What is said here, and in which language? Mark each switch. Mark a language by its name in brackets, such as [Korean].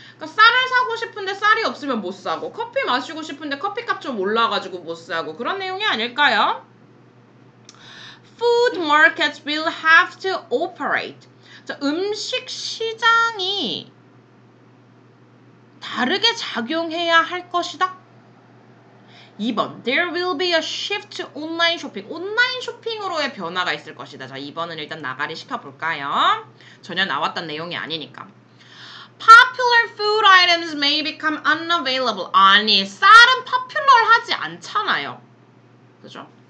[Korean] 그러니까 쌀을 사고 싶은데 쌀이 없으면 못 사고 커피 마시고 싶은데 커피값 좀 올라가지고 못 사고 그런 내용이 아닐까요? [English] Food markets will have to operate. [Korean] 자, 음식 시장이 다르게 작용해야 할 것이다. 2번. [English] There will be a shift to online shopping. [Korean] 온라인 쇼핑으로의 변화가 있을 것이다. 자, 2번은 일단 나가리 시켜볼까요? 전혀 나왔던 내용이 아니니까. [English] Popular food items may become unavailable. [Korean] 아니, 쌀은 popular하지 않잖아요. 그죠?